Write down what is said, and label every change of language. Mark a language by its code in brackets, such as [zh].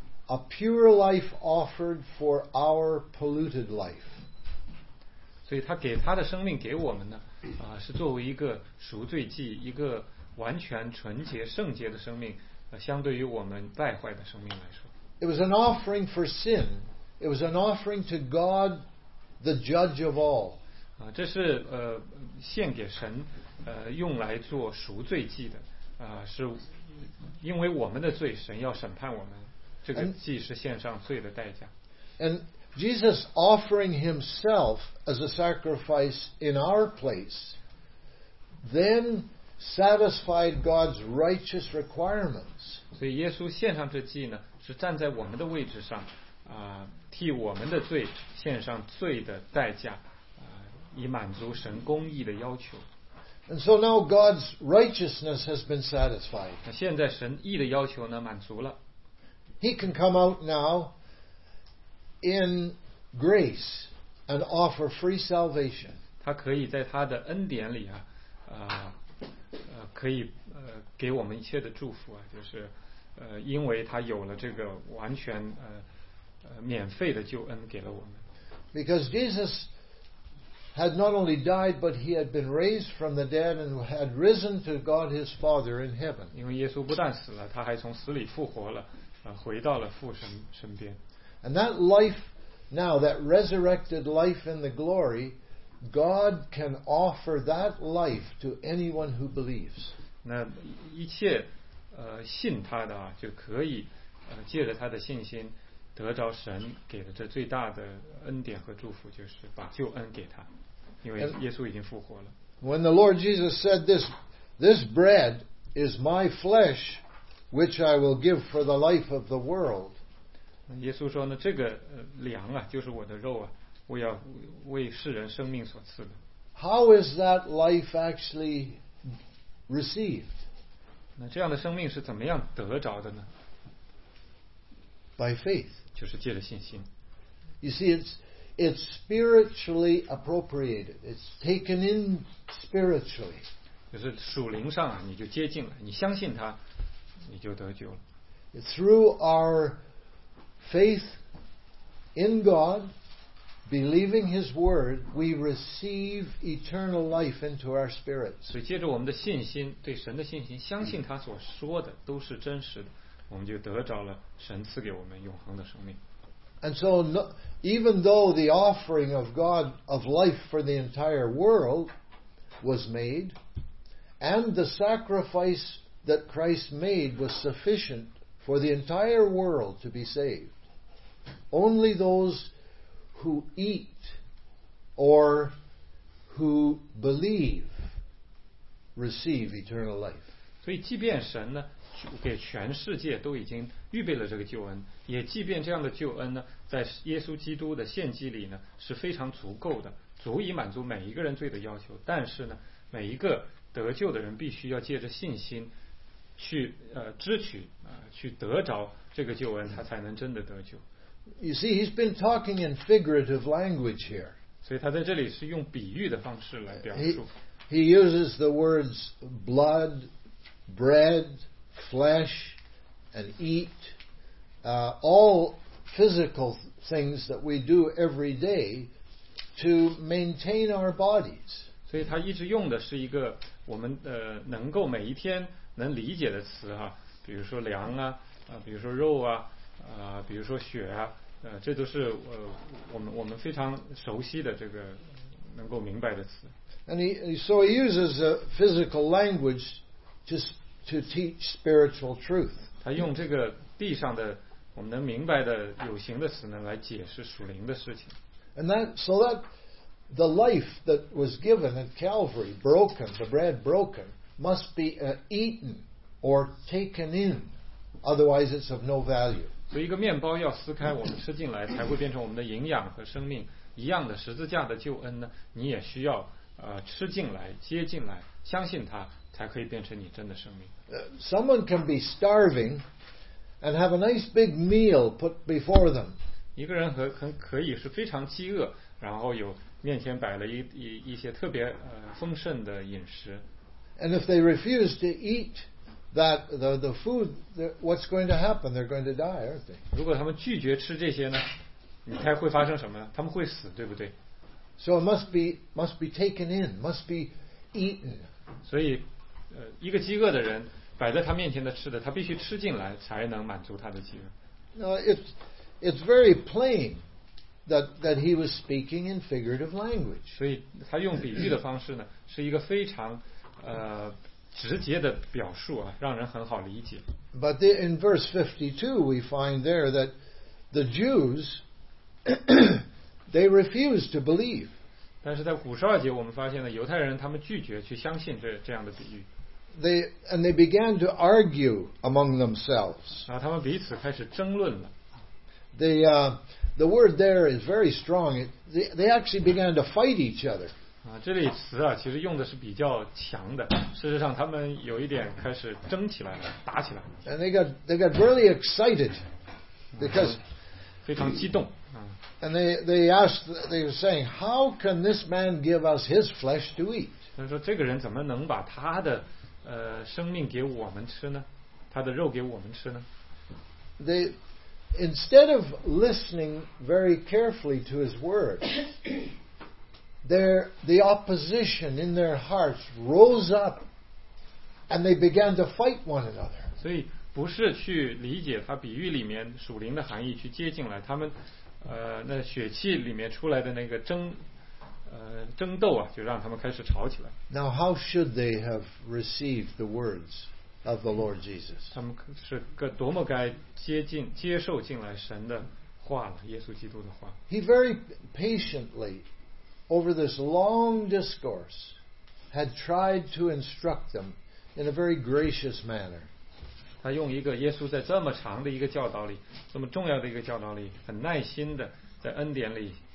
[en] A pure life offered for our polluted life. [zh] 所以他给他的生命给我们呢，是作为一个赎罪祭，一个完全纯洁圣洁的生命，相对于我们败坏的生命来说。 [en] It was an offering for sin. It was an offering to God, the judge of all. [zh] 这是献给神，用来做赎罪祭的，是因为我们的罪，神要审判我们。 [en] And Jesus offering himself as a sacrifice in our place then satisfied God's righteous requirements. [zh] 所以耶稣献上这祭呢是站在我们的位置上替我们的罪献上罪的代价以满足神公义的要求。 [en] And so now God's righteousness has been satisfied. [zh] 现在神义的要求呢满足了。 [en] He can come out now in grace and offer free salvation. [zh] 他可以在他的恩典里啊，可以给我们一切的祝福啊，就是因为他有了这个完全免费的救恩给了我们。 [en] Because Jesus had not only died, but he had been raised from the dead and had risen to God his Father in heaven. [zh] 因为耶稣不但死了，他还从死里复活了。回到了父身边。 [en] And that life now, that resurrected life in the glory, God can offer that life to anyone who believes. [zh] 那一切信他的啊，就可以借着他的信心得着神给的这最大的恩典和祝福，就是把救恩给他，因为耶稣已经复活了。 [en] And when the Lord Jesus said this bread is my flesh. Which I will give for the life of the world. [zh] 耶稣说呢，这个粮啊，就是我的肉啊，我要为世人生命所赐的。 [en] How is that life actually received? [zh] 那这样的生命是怎么样得着的呢 [en] ？By faith. [zh] 就是借着信心。 [en] You see, it's spiritually appropriated. It's taken in spiritually. [zh] 就是属灵上啊，你就接近了，你相信它。你就得救了。 [en] Through our faith in God, believing His word, we receive eternal life into our spirits. [zh] 所以借着我们的信心，对神的信心，相信他所说的都是真实的，我们就得着了神赐给我们永恒的生命。 [en] And so, no, even though the offering of God of life for the entire world was made, and the sacrifice that Christ made was sufficient for the entire world to be saved, only those who eat or who believe receive eternal life. [zh] 所以即便神呢给全世界都已经预备了这个救恩，也即便这样的救恩呢，在耶稣基督的献祭里呢是非常足够的，足以满足每一个人罪的要求。但是呢，每一个得救的人必须要借着信心去支取去得着这个救恩，他才能真的得救。 [en] You see, he's been talking in figurative language here. [zh] 所以他在这里是用比喻的方式来表述。 [en] He uses the words blood, bread. Flesh and eat, all physical things that we do every day to maintain our bodies. [zh] 所以他一直用的是一个我们能够每一天能理解的词哈，比如说粮啊，比如说肉啊，比如说血啊，这都是我们非常熟悉的这个能够明白的词。 [en] And he uses a physical language to teach spiritual truth. [zh] 他用这个地上的我们能明白的有形的词呢来解释属灵的事情。 [en] And that, so that the life that was given at Calvary, broken, the bread broken, must be eaten or taken in, otherwise it's of no value. [zh] 所以一个面包要撕开，我们吃进来才会变成我们的营养和生命。一样的十字架的救恩呢，你也需要吃进来，接进来，相信它。才可以变成你真的生命。 [en] Someone can be starving and have a nice big meal put before them. [zh] 一个人可以是非常饥饿，然后有面前摆了一些特别丰盛的饮食。 [en] And if they refuse to eat that the food, what's going to happen? They're going to die, aren't they? [zh] 如果他们拒绝吃这些呢，你猜会发生什么呢？他们会死，对不对 [en] ？So it must be taken in, must be eaten. [zh] 所以一个饥饿的人摆在他面前的吃的，他必须吃进来才能满足他的饥饿。 [en] It's very plain that he was speaking in figurative language. [zh] 所以他用比喻的方式呢，是一个非常直接的表述啊，让人很好理解。 [en] But the, in verse 52, we find there that the Jews they refused to believe. [zh] 但是在五十二节，我们发现呢，犹太人他们拒绝去相信这样的比喻。 [en] They began to argue among themselves. [zh] 然后他们彼此开始争论了。 [en] The word there is very strong. They actually began to fight each other. [zh] 啊，这里词啊，其实用的是比较强的。事实上，他们有一点开始争起来了，打起来。 [en] And they got really excited because [zh] 非常激动。 [en] And they were saying, "How can this man give us his flesh to eat?" [zh] 他说这个人怎么能把他的生命给我们吃呢？他的肉给我们吃呢？ [en] They, instead of listening very carefully to his words, the opposition in their hearts rose up, and they began to fight one another. [zh] 所以不是去理解他比喻里面属灵的含义，去接近来他们，那血气里面出来的那个争斗啊，就让他们开始吵起来。 [en] Now, how should they have received the words of the Lord Jesus? [zh] 他们是多么该接受进来神的话了，耶稣基督的话。 [en] He very patiently, over this long discourse, had tried to instruct them in a very gracious manner. [zh] 他用一个耶稣在这么长的一个教导里，这么重要的一个教导里，很耐心的在恩典里。